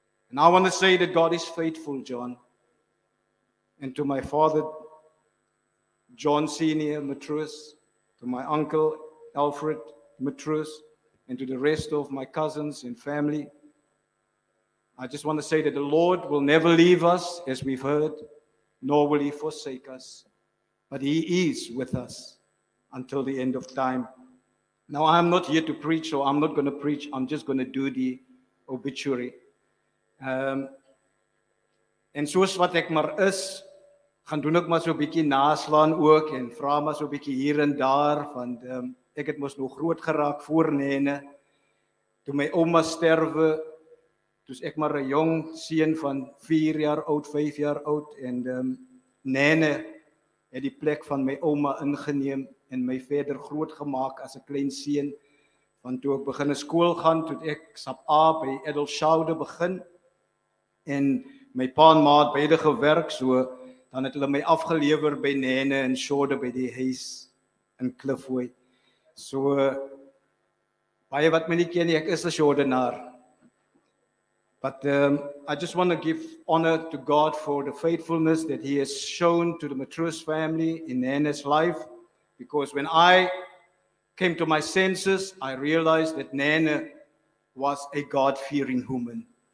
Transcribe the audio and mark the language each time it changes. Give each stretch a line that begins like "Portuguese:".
English: And I want to say that God is faithful, John. And to my father, John Senior Matrus, to my uncle, Alfred Matrus, and to the rest of my cousins and family, I just want to say that the Lord will never leave us, as we've heard, nor will he forsake us. But he is with us until the end of time. Now, I'm not here to preach, so I'm not going to preach. I'm just going to do the obituary.
Afrikaans: En soos wat ek maar is, gaan doen ek maar so 'n bietjie naslaan ook en vra maar so 'n bietjie hier en daar, want ek het mos nog groot geraak voor nene. Toe my ouma sterwe, toes ek maar 'n jong seun van 4 jaar oud, 5 jaar oud, en nene het die plek van my ouma ingeneem en my verder groot gemaak as 'n klein seun. Want toe ek begin skool gaan, toe ek sap A by Edelschoude begin, en my pa en ma het beide gewerk, so dan het hulle my afgelever by Nene en Shorde by die huis in Klifhooi. So, baie wat my nie ken nie, ek is 'n Shordenaar.
English: But I just want to give honor to God for the faithfulness that he has shown to the Matrus family in Nene's life, because when I came to my senses, I realized that Nene was a God-fearing human.